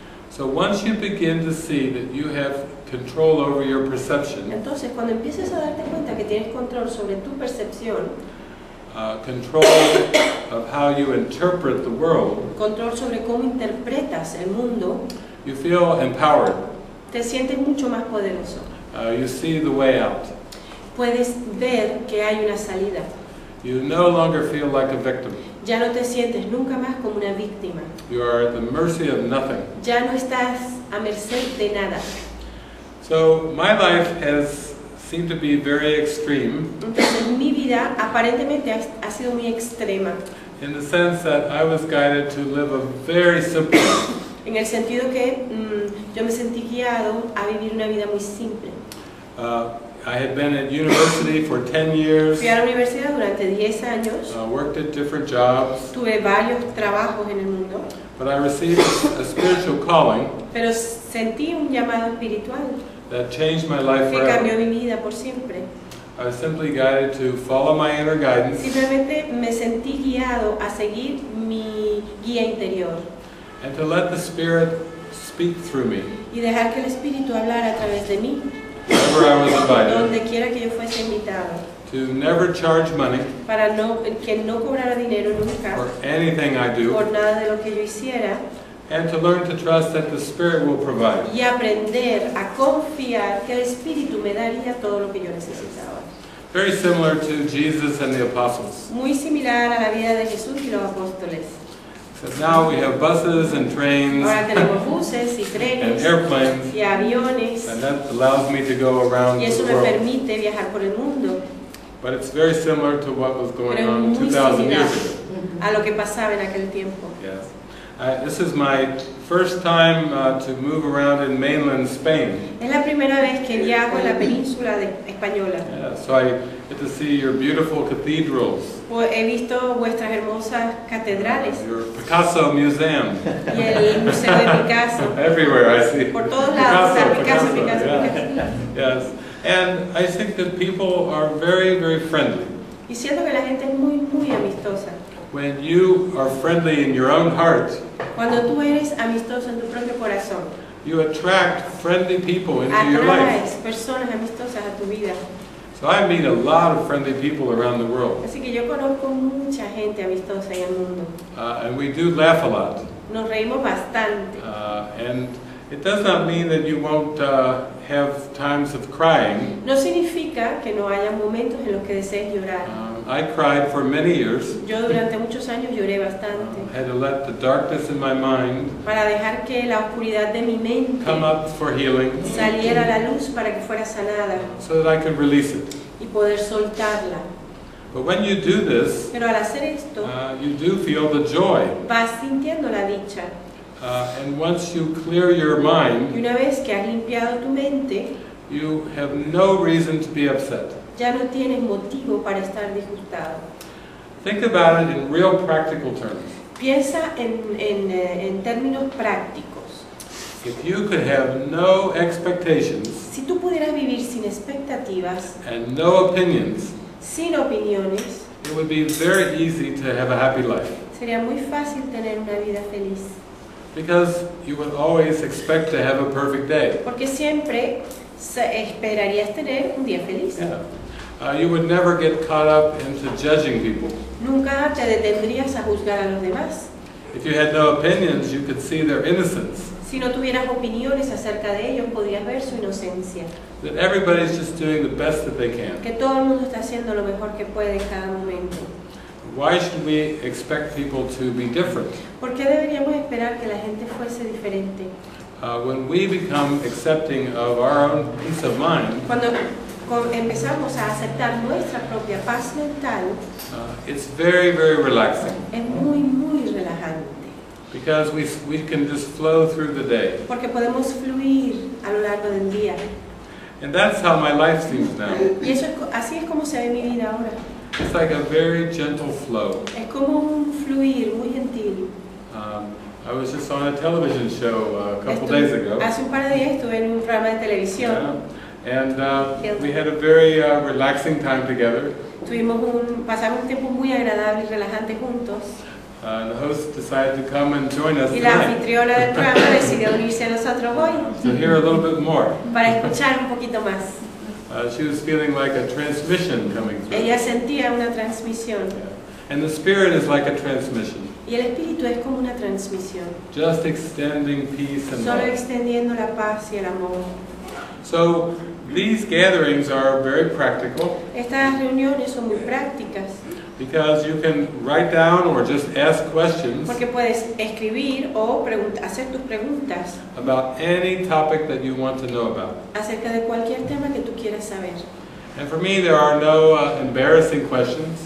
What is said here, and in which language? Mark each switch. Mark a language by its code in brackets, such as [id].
[en] So once you begin to see that you have control over your perception, [es] entonces cuando empiezas a darte cuenta que tienes control sobre tu percepción, [en] control of how you interpret the world, [es] control sobre cómo interpretas el mundo, [en] you feel empowered. [es] Te sientes mucho más poderoso. [en] You see the way out. [es] Puedes ver que hay una salida. [en] You no longer feel like a victim. [es] Ya no te sientes nunca más como una víctima. [en] You are at the mercy of nothing. [es] Ya no estás a merced de nada. [en] So my life has seemed to be very extreme. [es] Entonces, mi vida aparentemente ha sido muy extrema. [en] In the sense that I was guided to live a very simple life. [es] En el sentido que yo me sentí guiado a vivir una vida muy simple. [en] I had been at university for 10 years. [es] Fui a la universidad durante 10 años. [en] Worked at different jobs. [es] Tuve varios trabajos en el mundo. [en] But I received a spiritual calling. [es] Pero sentí un llamado espiritual. [en] That changed my life forever. [es] Que cambió mi vida por siempre. [en] I was simply guided to follow my inner guidance. [es] Simplemente me sentí guiado a seguir mi guía interior. [en] And to let the Spirit speak through me. [es] Y dejar que el Espíritu hablara a través de mí. [en] Wherever I was invited. [es] Donde quiera que yo fuese invitado. [en] To never charge money. [es] Para no, que no cobrara dinero nunca. [en] For anything I do. [es] Por nada de lo que yo hiciera. [en] And to learn to trust that the Spirit will provide. [es] Y aprender a confiar que el Espíritu me daría todo lo que yo necesitaba. [en] Very similar to Jesus and the apostles. [es] Muy similar a la vida de Jesús y los apóstoles. [en] So now we have buses and trains [es] ahora tenemos buses y trenes [en] and airplanes [es] y aviones, [en] and that allows me to go around [es] y eso [en] the world. [es] Me permite viajar por el mundo. [en] But it's very similar to what was going [es] pero [en] on 2,000 years ago. [es] A lo que pasaba en aquel tiempo. [en] Yes. This is my first time to move around in mainland Spain. [es] Es la primera vez que viajo en la península de española. [en] Yeah, so I get to see your beautiful cathedrals. [es] He visto vuestras hermosas catedrales. [en] Your Picasso Museum. [es] Y el Museo de Picasso. [en] Everywhere I see. [es] Por todos lados. Picasso. [en] Yeah. Yes. And I think that people are very, very friendly. [es] Y siento que la gente es muy, muy amistosa. [en] When you are friendly in your own heart, [es] cuando tú eres amistoso en tu propio corazón, [en] you attract friendly people into your life. [es] Atraes personas amistosas a tu vida. [en] So I meet a lot of friendly people around the world. [es] Así que yo conozco mucha gente amistosa en el mundo. [en] And we do laugh a lot. [es] Nos reímos bastante. [en] And It does not mean that you won't have times of crying. [es] No significa que no haya momentos en los que desees llorar. [en] I cried for many years. [es] Yo durante muchos años lloré bastante. [en] I had to let the darkness in my mind [es] para dejar que la oscuridad de mi mente [en] come up for healing. [es] Saliera la luz para que fuera sanada. [en] So that I could release it. [es] Y poder soltarla. [en] But when you do this, [es] pero al hacer esto, [en] you do feel the joy. [es] Vas sintiendo la dicha. [en] And once you clear your mind, [es] y una vez que has limpiado tu mente, [en] you have no reason to be upset. [es] Ya no tienes motivo para estar disgustado. [en] Think about it in real practical terms. [es] Piensa en términos prácticos. [en] If you could have no expectations, [es] si tú pudieras vivir sin expectativas, [en] and no opinions, [es] sin opiniones, [en] it would be very easy to have a happy life. [es] Sería muy fácil tener una vida feliz. [en] Because you would always expect to have a perfect day. [es] Porque siempre esperarías tener un día feliz. [en] Yeah. You would never get caught up into judging people. [es] Nunca te detendrías a juzgar a los demás. [en] If you had no opinions, you could see their innocence. [es] Si no tuvieras opiniones acerca de ellos, podrías ver su inocencia. [en] That everybody's just doing the best that they can. [es] Que todo el mundo está haciendo lo mejor que puede en cada momento. [en] Why should we expect people to be different? [es] ¿Por qué deberíamos esperar que la gente fuese diferente? [en] When we become accepting of our own peace of mind, [es] cuando empezamos a aceptar nuestra propia paz mental, [en] it's very, very relaxing. [es] Es muy, muy relajante. [en] Because we can just flow through the day. [es] Porque podemos fluir a lo largo del día. [en] And that's how my life seems now. [es] Y eso, así es como se ve mi vida ahora. [en] It's like a very gentle flow. [es] Es como un fluir muy gentil. [en] I was just on a television show a couple days ago. [es] Hace un par de días estuve en un programa de televisión. [en] Yeah. And we had a very relaxing time together. [es] Pasamos un tiempo muy agradable y relajante juntos. [en] The host decided to come and join us [es] y la anfitriona del programa decidió unirse a nosotros hoy. [en] To hear a little bit more. [es] Para escuchar un poquito más. [en] She was feeling like a transmission coming through. [es] Ella sentía una transmisión. [en] Yeah. And the spirit is like a transmission. [es] Y el espíritu es como una transmisión. [en] Just extending peace and [es] solo [en] love. [es] Solo extendiendo la paz y el amor. [en] So these gatherings are very practical. [es] Estas reuniones son muy prácticas. [en] Because you can write down or just ask questions. [es] Porque puedes escribir o hacer tus preguntas. [en] About any topic that you want to know about. [es] Acerca de cualquier tema que tú quieras saber. [en] And for me, there are no embarrassing questions.